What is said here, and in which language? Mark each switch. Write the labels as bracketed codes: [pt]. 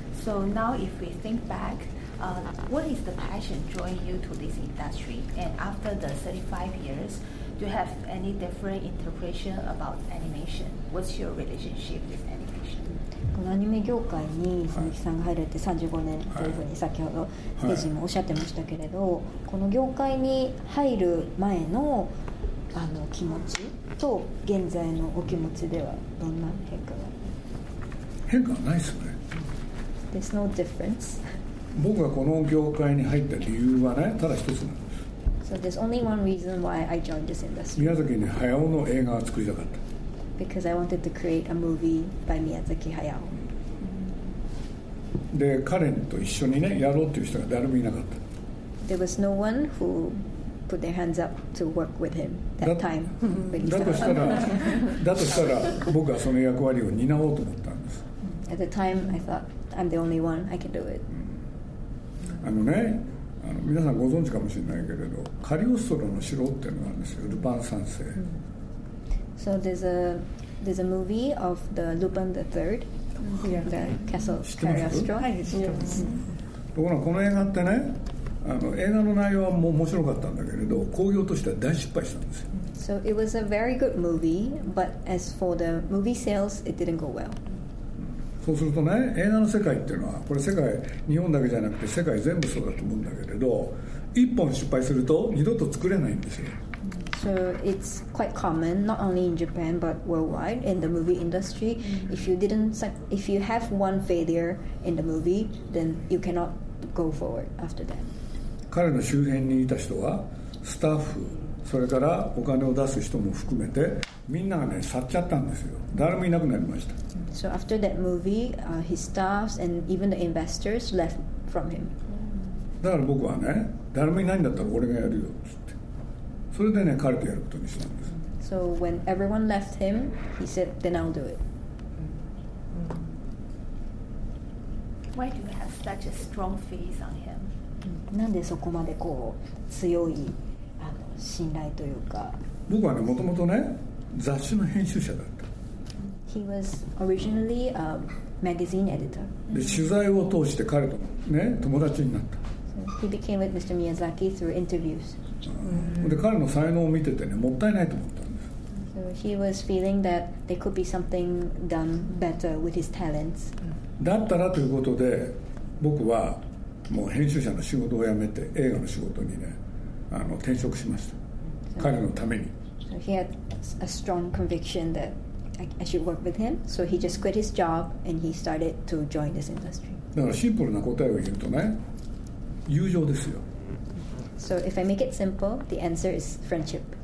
[en] So now, if we think back, what is the passion drawing you to this industry? And after the 35 years, do you have any different interpretation about animation? What's your relationship with animation? [ja] このアニメ業界に鈴木さんが入られて35年というふうに先ほどステージもおっしゃってましたけれど、この業界に入る前の気持ちと現在のお気持ちではどんな変化が？変化はないですね。 [en] There's no difference. [ja] 僕がこの業界に入った理由はね、ただ一つなんです。 [en] So there's only one reason why I joined this industry. [ja] 宮崎に駿の映画を作りたかった。 [en] Because I wanted to create a movie by 宮崎駿。 [ja] で、カレンと一緒にね、やろうっていう人が誰もいなかった。 [en] There was no one who put their hands up to work with him that time. [ja] だとしたら僕はその役割を担おうと思った。 [en] At the time, I thought, I'm the only one, I can do it. [ja] あの皆さんご存知かもしれないけれど、カリオストロの城っていうのがあるんですよ、ルパン三世。 [en] So there's a movie of the Lupin the Third, the castle Cariostro. [ja] 知ってます？Yes. ところがこの映画ってね、映画の内容はもう面白かったんだけれど、興行としては大失敗したんですよ。 [en] So it was a very good movie, but as for the movie sales, it didn't go well. [ja] そうするとね、映画の世界っていうのはこれ世界、日本だけじゃなくて世界全部そうだと思うんだけれど、一本失敗すると二度と作れないんですよ。 [en] So it's quite common not only in Japan but worldwide in the movie industry. If you have one failure in the movie, then you cannot go forward after that. [ja] 彼の周辺にいた人はスタッフ、それからお金を出す人も含めてみんながね、去っちゃったんですよ。誰もいなくなりました。 [en] So after that movie, his staffs and even the investors left from him. [ja] だから僕はね、誰もいないんだったら俺がやるよって言って、それでね、彼とやることにしたんです。 [en] So when everyone left him, he said, "Then I'll do it." Why do you have such a strong faith on him? [ja] なんでそこまでこう強い信頼というか。僕はね、もともとね、雑誌の編集者だった。 [en] He was originally a magazine editor. [ja] で、取材を通して彼とね、友達になった。 [en] So、he became with Mr. Miyazaki through interviews. [ja] で、彼の才能を見ててね、もったいないと思ったんです。 [en] So、he was feeling that there could be something done better with his talents. [ja] だったらということで、僕はもう編集者の仕事を辞めて、映画の仕事にね、転職しました。 So、彼のために。 [en] So、he had a strong conviction thatI should work with him, so he just quit his job and he started to join this industry. [ja] だからシンプルな答えを言うとね、友情ですよ。 [en] So if I make it simple, the answer is friendship.